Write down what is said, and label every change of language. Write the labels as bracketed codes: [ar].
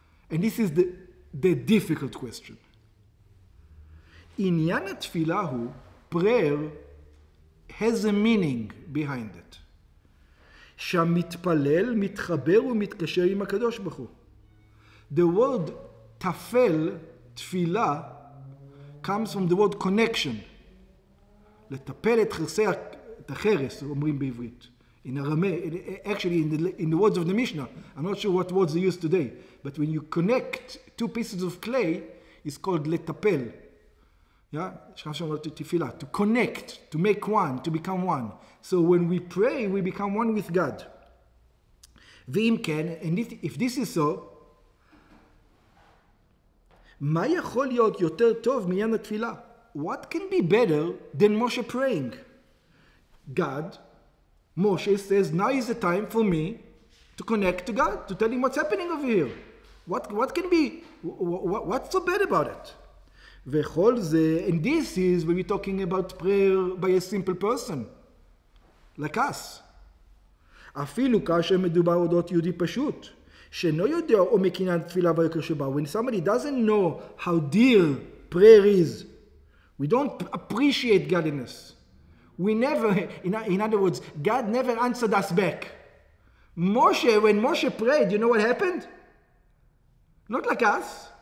[en] And this is the difficult question. [he] Inyan atfilahu, [en] prayer has a meaning behind it. [he] Shamitpalel mitchaber umitkasher im HaKadosh Baruch Hu. [en] The word tafel, tfilah, comes from the word connection. [he] לטפל את חרסי, את החרס, אומרים בעברית. [en] In Aramaic, actually, in the words of the Mishnah, I'm not sure what words they use today, but when you connect two pieces of clay, it's called לטפל. Yeah? To connect, to make one, to become one. So when we pray, we become one with God. [he] ואם כן, [en] and if this is so, [he] מה יכול להיות יותר טוב מיין התפילה? [en] What can be better than Moshe praying? God, Moshe says, now is the time for me to connect to God, to tell him what's happening over here. What can be, what's so bad about it? [he] וכל זה, [en] and this is when we're talking about prayer by a simple person, like us. [he] אפילו כאשר מדובר אודות יהודי פשוט. [en] When somebody doesn't know how dear prayer is, we don't appreciate godliness. We never, in other words, God never answered us back. Moshe, when Moshe prayed, you know what happened? Not like us.